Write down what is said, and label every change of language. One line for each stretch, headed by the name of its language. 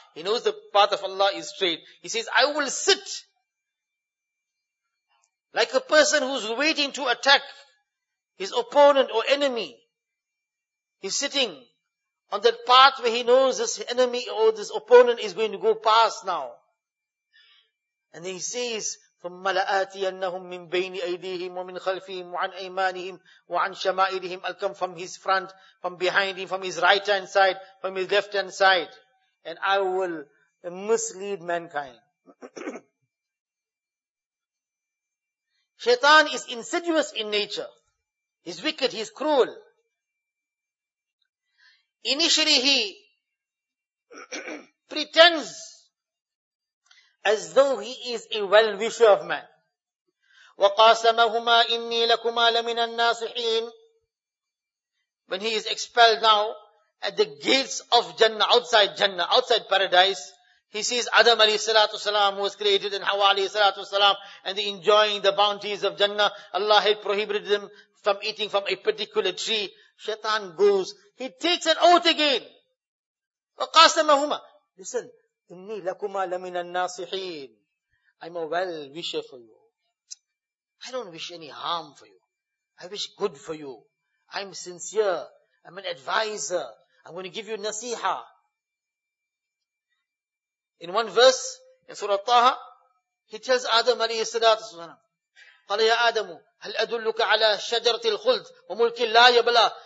English: He knows the path of Allah is straight. He says, I will sit like a person who's waiting to attack his opponent or enemy. He's sitting on that path where he knows this enemy or this opponent is going to go past now. And then he says,
Arabic: ثُمَّ لَآتِيَنَّهُمْ مِنْ بَيْنِ أَيْدِيهِمْ وَمِنْ خَلْفِهِمْ وَعَنْ أَيْمَانِهِمْ وَعَنْ شَمَائِلِهِمْ.
English: I'll come from his front, from behind him, from his right hand side, from his left hand side. And I will mislead mankind. Shaitan is insidious in nature. He's wicked, he's cruel. initially he pretends as though he is a well-wisher of man.
Arabic: وَقَاسَمَهُمَا إِنِّي لَكُمَا لَمِنَ النَّاسِحِينَ.
English: When he is expelled now at the gates of Jannah, outside paradise, he sees Adam alayhi salatu salam, who was created, and Hawa alayhi salatu salam, and they enjoying the bounties of Jannah. Allah had prohibited them from eating from a particular tree. Shaitan goes, he takes an oath again.
Arabic: وَقَاسَمَهُمَا.
English: Listen,
Arabic: إِنِّي لَكُمَا لَمِنَ النَّاسِحِينَ.
English: I'm a well-wisher for you. I don't wish any harm for you. I wish good for you. I'm sincere. I'm an advisor. I'm going to give you nasiha. In one verse, in Surah Taha, he tells Adam alayhi salatu wasalam,
Arabic: قَالَ يَا آدَمُ هَلْ أَدُلُّكَ عَلَىٰ شَجَرَةِ الْخُلْدِ وَمُلْكِ لَا يَبْلَىٰ.